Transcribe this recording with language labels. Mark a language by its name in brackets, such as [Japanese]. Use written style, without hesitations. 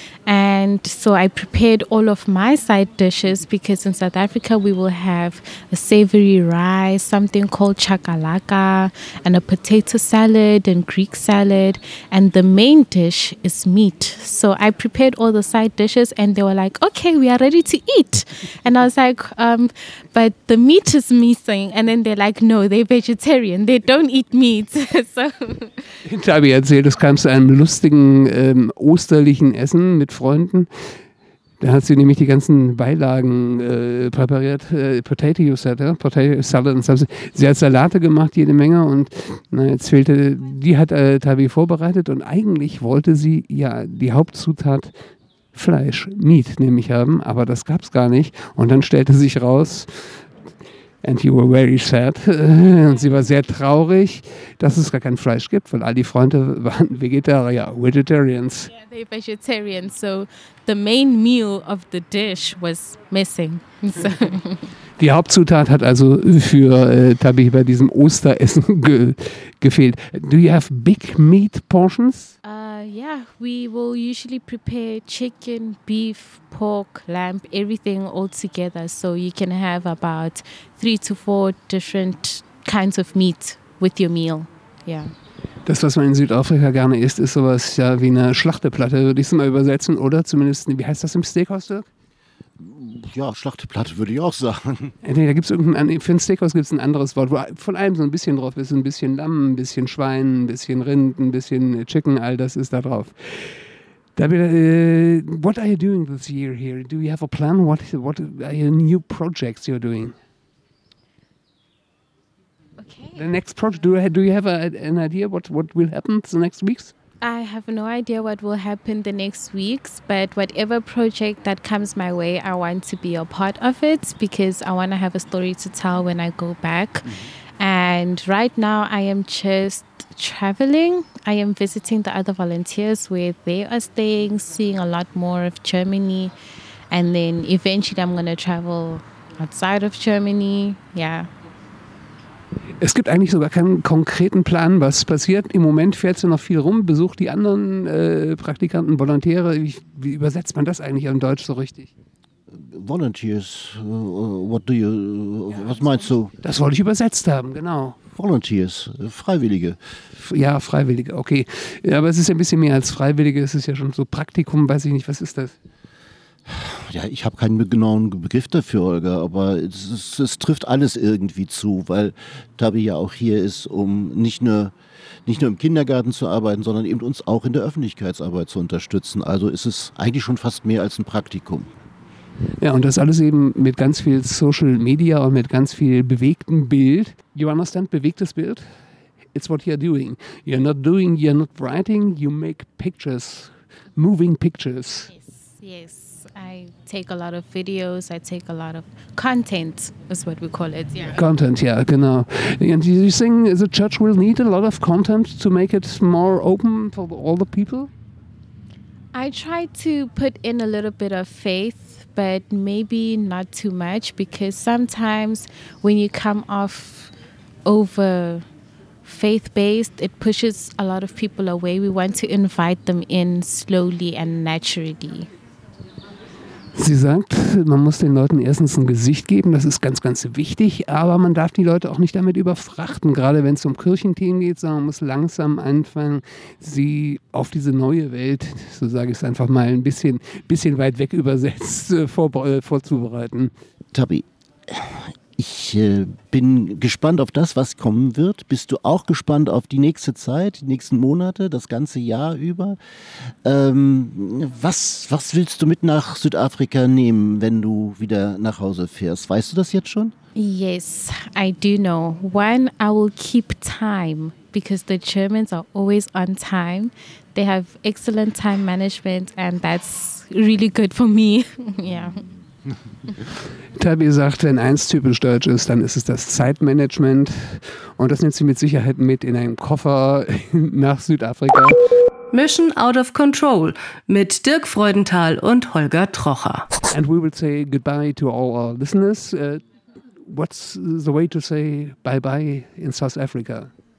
[English] And so I prepared all of my side dishes because in South Africa we will have a savory rice, something called chakalaka, and a potato salad and Greek salad. And the main dish is meat. So I prepared all the side dishes and they were like, okay, we are ready to eat. And I was like, but the meat is missing. And then they're like, no, they're vegetarian. They don't eat meat. So. [German] Ich habe erzählt, es kam zu einem lustigen osterlichen Essen mit Freunden. Da hat sie nämlich die ganzen Beilagen präpariert. Potato Salad und so. Sie hat Salate gemacht, jede Menge. Und jetzt fehlte, die hat Tavi vorbereitet. Und eigentlich wollte sie ja die Hauptzutat Fleisch, Meat, nämlich haben. Aber das gab es gar nicht. Und dann stellte sich raus, [English] and you were very sad. [German] Und sie war sehr traurig, dass es gar kein Fleisch gibt, weil all die Freunde waren Vegetarians. [English] Yeah, they're vegetarians. So the main meal of the dish was missing. So. [German] Die Hauptzutat hat also für Tabi bei diesem Osteressen gefehlt. [English] Do you have big meat portions? Yeah, we will usually prepare chicken, beef, pork, lamb, everything all together. So you can have about 3 to 4 different kinds of meat with your meal. Yeah. [German] Das, was man in Südafrika gerne isst, ist sowas ja wie eine Schlachteplatte, würde ich es mal übersetzen. Oder zumindest, wie heißt das im Steakhouse, Dirk? Ja, Schlachteplatte würde ich auch sagen. Da gibt's für ein Steakhouse gibt es ein anderes Wort, wo von allem so ein bisschen drauf ist. Ein bisschen Lamm, ein bisschen Schwein, ein bisschen Rind, ein bisschen Chicken, all das ist da drauf. [English] David, what are you doing this year here? Do you have a plan? What are your new projects you're doing? Okay. The next project, do you have an idea what will happen the next weeks? I have no idea what will happen the next weeks, but whatever project that comes my way, I want to be a part of it because I want to have a story to tell when I go back. Mm-hmm. And right now I am just traveling. I am visiting the other volunteers where they are staying, seeing a lot more of Germany. And then eventually I'm going to travel outside of Germany. Yeah. [German] Es gibt eigentlich sogar keinen konkreten Plan, was passiert. Im Moment fährt sie noch viel rum, besucht die anderen Praktikanten, Volontäre. Wie übersetzt man das eigentlich im Deutsch so richtig? Volunteers, [English] what do you, [German] ja, was meinst du? Das wollte ich übersetzt haben, genau. Volunteers, Freiwillige. Ja, Freiwillige, okay. Ja, aber es ist ein bisschen mehr als Freiwillige, es ist ja schon so Praktikum, weiß ich nicht, was ist das? Ja, ich habe keinen genauen Begriff dafür, Olga, aber es trifft alles irgendwie zu, weil Tabi ja auch hier ist, um nicht nur im Kindergarten zu arbeiten, sondern eben uns auch in der Öffentlichkeitsarbeit zu unterstützen. Also ist es eigentlich schon fast mehr als ein Praktikum. Ja, und das alles eben mit ganz viel Social Media und mit ganz viel bewegtem Bild. [English] You understand? [German] Bewegtes Bild? [English] It's what you're doing. You're not doing, you're not writing, you make pictures, moving pictures. Yes. I take a lot of videos, I take a lot of content, is what we call it. Yeah. Content, yeah, genau. And do you think the church will need a lot of content to make it more open for all the people? I try to put in a little bit of faith, but maybe not too much, because sometimes when you come off over faith-based, it pushes a lot of people away. We want to invite them in slowly and naturally. [German] Sie sagt, man muss den Leuten erstens ein Gesicht geben, das ist ganz, ganz wichtig, aber man darf die Leute auch nicht damit überfrachten, gerade wenn es um Kirchenthemen geht, sondern man muss langsam anfangen, sie auf diese neue Welt, so sage ich es einfach mal, ein bisschen weit weg übersetzt, vorzubereiten. Tabi, ich bin gespannt auf das, was kommen wird. Bist du auch gespannt auf die nächste Zeit, die nächsten Monate, das ganze Jahr über? Was willst du mit nach Südafrika nehmen, wenn du wieder nach Hause fährst? Weißt du das jetzt schon? [English] Yes, I do know. One, I will keep time, because the Germans are always on time. They have excellent time management and that's really good for me. Yeah. [German] Tabi sagt, wenn eins typisch deutsch ist, dann ist es das Zeitmanagement. Und das nimmt sie mit Sicherheit mit in einen Koffer nach Südafrika. Mission Out of Control mit Dirk Freudenthal und Holger Trocher. [English] And we will say goodbye to all our listeners. What's the way to say bye-bye in South Africa?